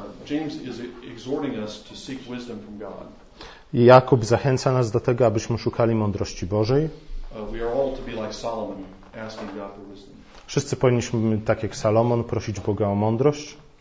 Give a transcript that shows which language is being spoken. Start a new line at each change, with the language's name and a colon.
English: James is exhorting us to seek wisdom from God.
Polish: Jakub zachęca nas do tego, abyśmy szukali mądrości Bożej.
English: We are all to be like Solomon, asking God for wisdom.
Polish: Wszyscy powinniśmy, tak jak Salomon, prosić Boga o mądrość.